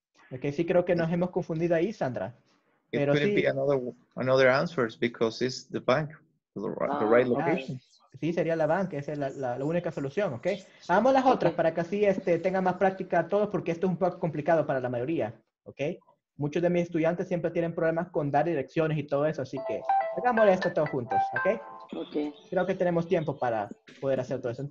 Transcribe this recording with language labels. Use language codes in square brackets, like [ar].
[es] Ok, sí, creo que nos hemos confundido ahí, Sandra. Pero [en] it could [es] sí. [en] be another answer because it's the bank, the right location. [es] Sí, sería la bank, esa es la única solución, ok. Hagamos las otras para que así tengan más práctica a todos porque esto es un poco complicado para la mayoría, ok. Muchos de mis estudiantes siempre tienen problemas con dar direcciones y todo eso, así que hagámosle esto todos juntos, ¿ok? Ok. Creo que tenemos tiempo para poder hacer todo eso.